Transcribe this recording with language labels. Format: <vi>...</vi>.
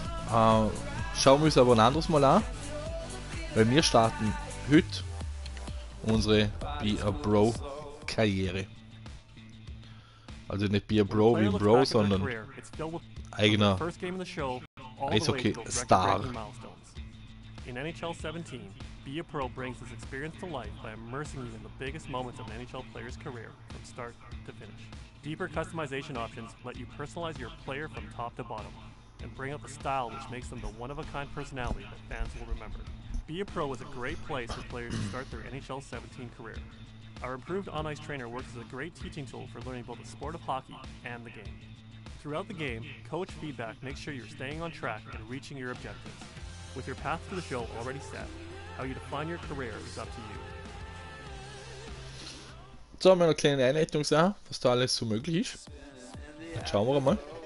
<de>Schauen wir uns aber ein anderes Mal an. Weil wir starten heute unsere Be a Bro-Karriere. Also nicht Be a Bro wie ein Bro, sondern eigener Eishockey-Star.</de> <en>In NHL 17, Be a Pro brings this experience to life by immersing you in the biggest moments of an NHL player's career from start to finish. Deeper customization options let you personalize your player from top to bottom and bring out the style which makes them the one-of-a-kind personality that fans will remember. Be a Pro is a great place for players to start their NHL 17 career. Our improved on-ice trainer works as a great teaching tool for learning both the sport of hockey and the game. Throughout the game, coach feedback makes sure you're staying on track and reaching your objectives. With your path to the show already set, how you define your career is up to you.</en> <de>So, haben wir eine kleine Einleitung sah, was da alles so möglich ist. Dann schauen wir mal.</de>